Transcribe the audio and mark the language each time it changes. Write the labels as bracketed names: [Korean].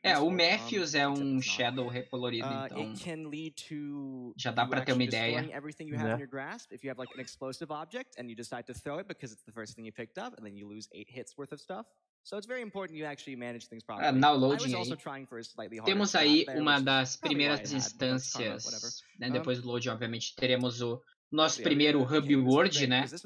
[Portuguese] é, o Matthews é um Shadow recolorido, então já dá pra ter uma ideia. [English] Everything you have in your grasp, if you have like an explosive object and you decide to throw it because it's the first thing you picked up and then you lose 8 hits worth of stuff. So it's very important you actually manage things properly. Now loading aí. [Portuguese] Temos aí uma das primeiras instâncias, né, depois do load, obviamente, teremos o nosso primeiro Hub World, né?